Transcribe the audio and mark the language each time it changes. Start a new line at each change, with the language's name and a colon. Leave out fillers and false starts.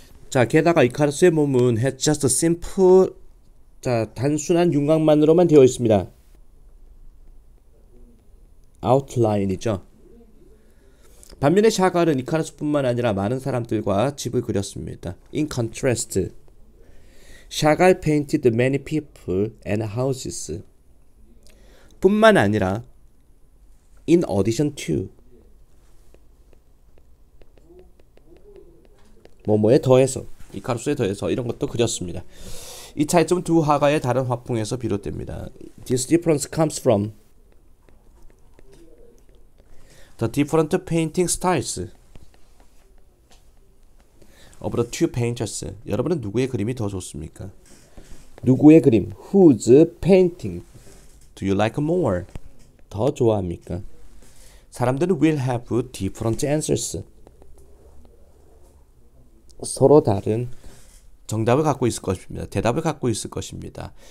Korean: 자, 게다가 이카루스의 몸은
English: has just a simple,
Korean: 자, 단순한 윤곽만으로만 되어 있습니다.
English: outline이죠.
Korean: 반면에 샤갈은 이카루스뿐만 아니라 많은 사람들과 집을 그렸습니다.
English: in contrast, Chagall painted many people and houses.
Korean: 뿐만 아니라 in addition to 뭐뭐에 더해서 이카루스에 더해서 이런 것도 그렸습니다. 이 차이점 두 화가의 다른 화풍에서 비롯됩니다.
English: This difference comes from the different painting styles of the two painters.
Korean: 여러분은 누구의 그림이 더 좋습니까? 누구의 그림?
English: Whose painting do you like more?
Korean: 더 좋아합니까?
English: 사람들은 will have different answers.
Korean: 서로 다른 정답을 갖고 있을 것입니다. 대답을 갖고 있을 것입니다.